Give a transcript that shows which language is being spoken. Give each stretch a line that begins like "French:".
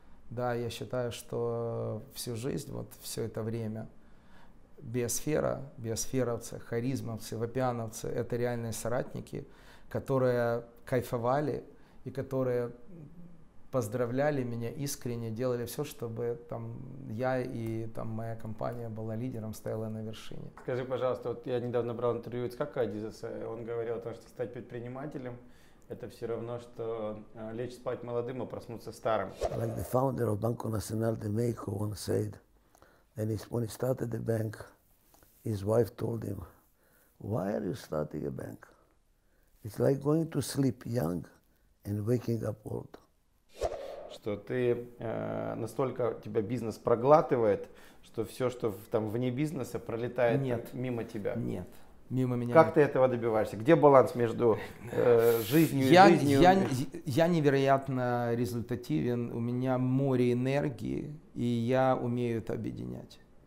Russian: Да, я считаю, что всю жизнь, вот все это время, биосфера, биосферовцы, харизмовцы, вапиановцы – это реальные соратники, которые кайфовали и которые поздравляли меня искренне, делали все, чтобы там я и там моя компания была лидером, стояла на вершине. Скажи, пожалуйста, вот я недавно брал интервью у Ицхака Адизеса, он говорил о том, что стать предпринимателем – это все равно, что лечь спать молодым, а проснуться старым.
English: Like the founder of Banco Nacional de México once said, and when he started the bank, his wife told him, why are you starting a bank? It's like going to sleep young and waking up old.
Russian: Что ты настолько тебя бизнес проглатывает, что все, что там вне бизнеса, пролетает нет, мимо тебя. Нет, мимо меня. Как нет. Ты этого добиваешься? Где баланс между жизнью и жизнью? Я невероятно результативен, у меня море энергии, и я умею это объединять.